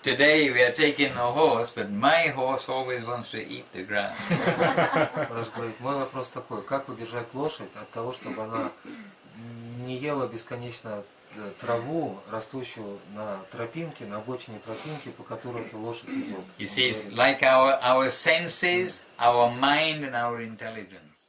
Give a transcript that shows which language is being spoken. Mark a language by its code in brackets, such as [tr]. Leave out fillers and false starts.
[en] Today we are taking the horse, but my horse always wants to eat the grass. [ru] Раз говорит, мой вопрос такой, как удержать лошадь от того, чтобы она не ела бесконечно траву, растущую на тропинке, на обочине тропинки, по которой эта лошадь идет. [en] You see, it's like our senses, our mind and our intelligence.